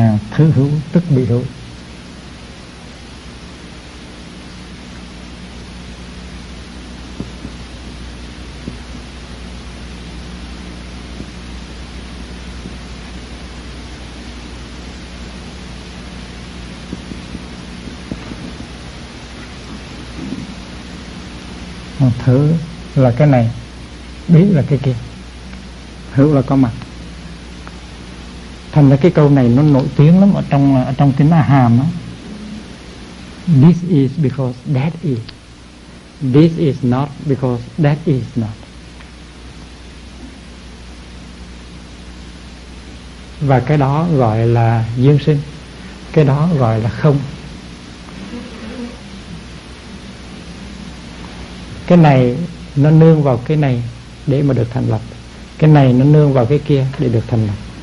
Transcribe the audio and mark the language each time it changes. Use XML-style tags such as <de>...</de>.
<vi>Thứ hữu tức bị hữu, thứ là cái này, biết là cái kia, hữu là có mặt. Thành ra cái câu này nó nổi tiếng lắm ở trong tiếng A Hàm á.</vi> <en>This is because that is, this is not because that is not.</en> <vi>Và cái đó gọi là duyên sinh, cái đó gọi là không. Cái này nó nương vào cái này để mà được thành lập, cái này nó nương vào cái kia để được thành lập.</vi>